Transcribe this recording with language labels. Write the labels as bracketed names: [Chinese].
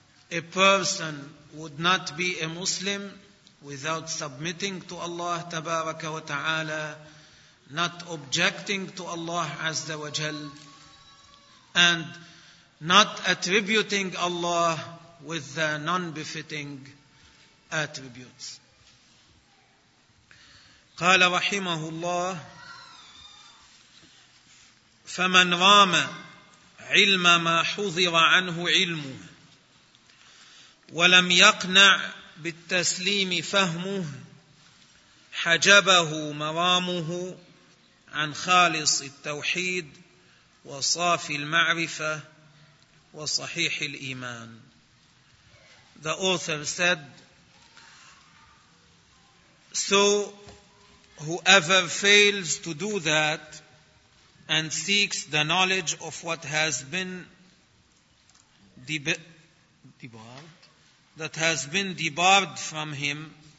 [English] A person would not be a Muslim without submitting to Allah tabaraka wa ta'ala, not objecting to Allah azza wa jal, and not attributing Allah with the non-befitting attributes. [Arabic] قال رحمه الله فمن رام علم ما حضر عنه علمه ولم يقنع بالتسليم فهمه حجبه مرامه عن خالص التوحيد وصافي المعرفة وصحيح الإيمان. [English] The author said, so whoever fails to do that and seeks the knowledge of what has been debarred, that has been debarred from him,